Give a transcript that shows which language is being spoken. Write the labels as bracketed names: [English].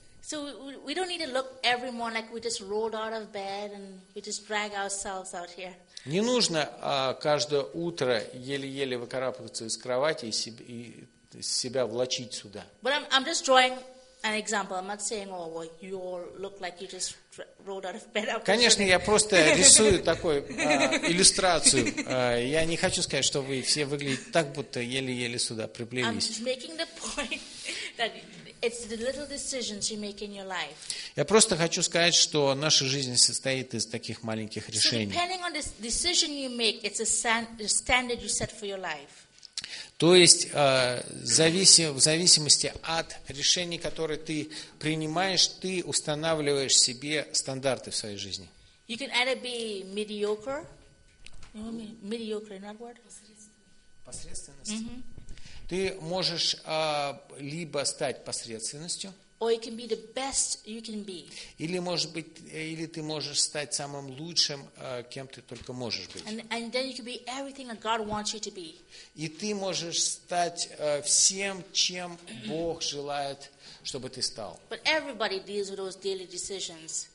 [English] So we don't need to look every morning like we just rolled out of bed and we just drag ourselves out here. [Russian] Не нужно каждое утро еле-еле выкарабкаться из кровати и себя влачить сюда. [English] But I'm just drawing an example. I'm not saying, oh, well, you all look like you just rolled out of bed. [Russian] Конечно, я просто рисую такую иллюстрацию. Я не хочу сказать, что вы все выглядите так, будто еле-еле сюда приплелись. [English] I'm making the point that it's the little decisions you make in your life. [Russian] Я просто хочу сказать, что наша жизнь состоит из таких маленьких решений. [English] So depending on the decision you make, it's a standard you set for your life. [Russian] То есть в зависимости от решений, которые ты принимаешь, ты устанавливаешь себе стандарты в своей жизни. [English] You can either be mediocre. You know, mediocre, not word. [Russian] Посредственность. Ты можешь либо стать посредственностью. [English] Or you can be the best you can be. [Russian] Или, может быть, или ты можешь стать самым лучшим, кем ты только можешь быть. [English] And then you can be everything that God wants you to be. [Russian] И ты можешь стать всем, чем Бог желает, чтобы ты стал. [English] But everybody deals with those daily decisions.